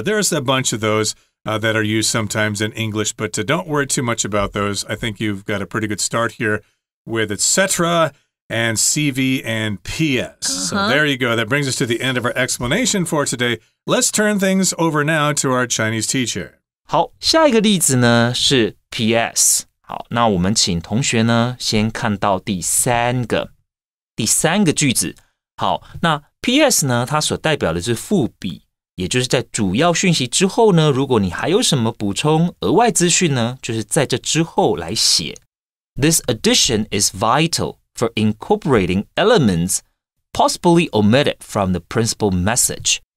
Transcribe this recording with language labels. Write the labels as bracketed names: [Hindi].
[English] There's a bunch of those that are used sometimes in English, but don't worry too much about those. I think you've got a pretty good start here with et cetera. And CV and PS. Uh-huh. So there you go. That brings us to the end of our explanation for today. Let's turn things over now to our Chinese teacher. [Chinese] 好，下一个例子呢是 PS。好，那我们请同学呢先看到第三个句子。好，那 PS 呢，它所代表的是副笔，也就是在主要讯息之后呢，如果你还有什么补充额外资讯呢，就是在这之后来写。 [English] This addition is vital. For incorporating elements possibly omitted from the principal message.